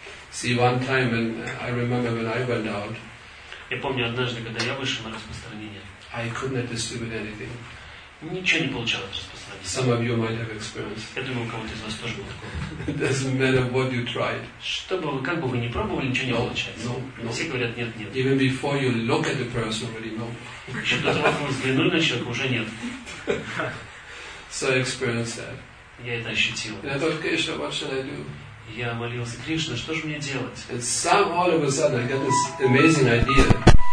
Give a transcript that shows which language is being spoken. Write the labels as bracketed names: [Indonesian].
[English] See, one time when I remember when I went out. [Russian] Я помню однажды, когда я вышел на распространение. [English] I could not distribute anything. [Russian] Ничего не получалось распространить. [English] Some of you might have experienced. [Russian] Я думаю, у кого-то из вас тоже было такое. [English] Doesn't matter what you tried. [Russian] Чтобы вы, как бы вы ни пробовали, ничего не получается. [English] No, no. [Russian] Все говорят нет, нет. [English] Even before you look at the person, already know. [Russian] Что-то того, как вы взглянули на человека, уже нет. [English] So I experienced that. [Russian] Я это ощутил. [English] And I thought, Krishna, what should I do? [Russian] Я молился, Кришна, что же мне делать? [English] And some all of a sudden I got this amazing idea.